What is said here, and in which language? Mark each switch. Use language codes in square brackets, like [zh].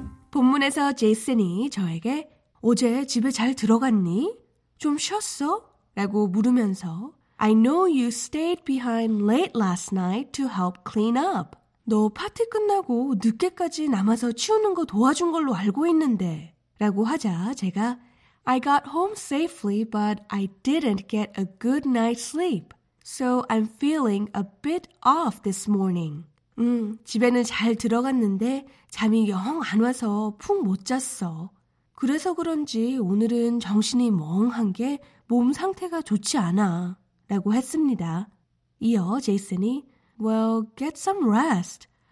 [ko] 본문에서 제이슨이 저에게 어제 집에 잘 들어갔니? 좀 쉬었어? 라고 물으면서 [en] I know you stayed behind late last night to help clean up. [ko] 너 파티 끝나고 늦게까지 남아서 치우는 거 도와준 걸로 알고 있는데 라고 하자 제가 [en] I got home safely, but I didn't get a good night's sleep. So I'm feeling a bit off this morning. [ko] 집에는 잘 들어갔는데 잠이 영 안 와서 푹 못 잤어. 그래서 그런지 오늘은 정신이 멍한 게 몸 상태가 좋지 않아. 라고 했습니다. 이어 제이슨이 [en] Well, get some rest.